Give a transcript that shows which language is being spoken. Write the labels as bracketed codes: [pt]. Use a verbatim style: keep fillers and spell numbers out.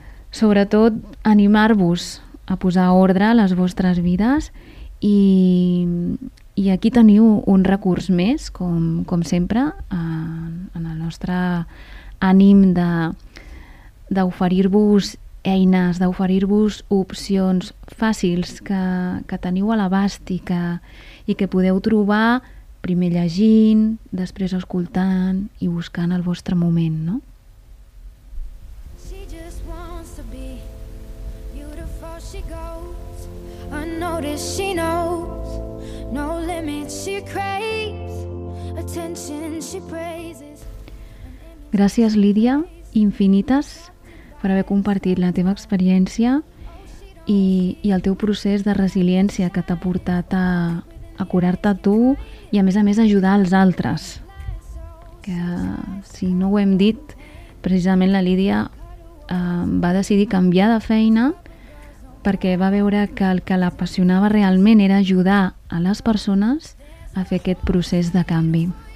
[ca] sobretot animar-vos a posar ordre a les vostres vides i, i aquí teniu un recurs més, com, com sempre, en, en el nostre ànim de d'oferir-vos eines, d'oferir-vos opcions fàcils que, que teniu a l'abast i que, i que podeu trobar primer llegint, després escoltant i buscant el vostre moment, no? [en] She just wants to be beautiful, she goes unnoticed, she knows no limits, she craves attention, she praises. [ca] Gràcies, Lídia, infinites, per haver compartit la teva experiència i, i el teu procés de resiliència que t'ha portat a, a curar-te tu i a més a més ajudar els altres. Que, si no ho hem dit, precisament la Lídia eh, va decidir canviar de feina perquè va veure que el que l'apassionava realment era ajudar a les persones a fer aquest procés de canvi.